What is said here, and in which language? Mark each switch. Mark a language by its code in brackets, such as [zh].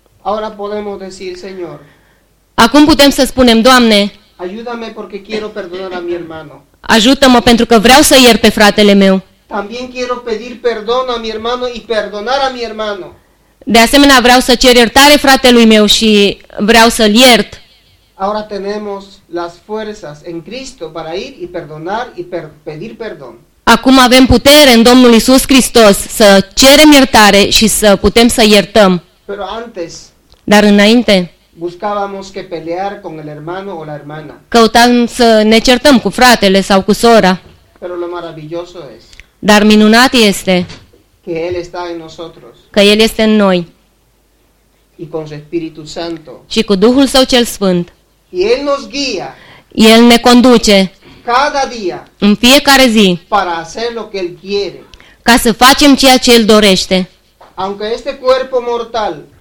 [es] Ahora podemos decir, Señor. [ro] Acum putem să spunem, Doamne, [es] ayúdame porque quiero perdonar a mi hermano. [ro] Ajută-mă pentru că vreau să iert pe fratele meu. [es] También quiero pedir perdón a mi hermano y perdonar a mi hermano. [ro] De asemenea, vreau să cer iertare fratelui meu și vreau să-l iert. [es] Ahora tenemos las fuerzas en Cristo para ir y perdonar y pedir perdón. [ro] Acum avem putere în Domnul Iisus Hristos să cerem iertare și să putem să iertăm. [es] Pero antes, [ro] dar înainte, [es] buscábamos que pelear con el hermano o la hermana. [ro] Căutam să ne certăm cu fratele sau cu sora. [es] Pero lo maravilloso es, [ro] dar minunat este [es] que él está en nosotros, [ro] că El este în noi [es] y con su Espíritu Santo, [ro] și cu Duhul Său cel Sfânt. [es] Y él nos guía, [ro] El ne conduce. [es] Cada día. [ro] În fiecare zi. [es] Para hacer lo que él quiere. [ro] Ca să facem ceea ce el dorește. [es] Aunque este cuerpo mortal.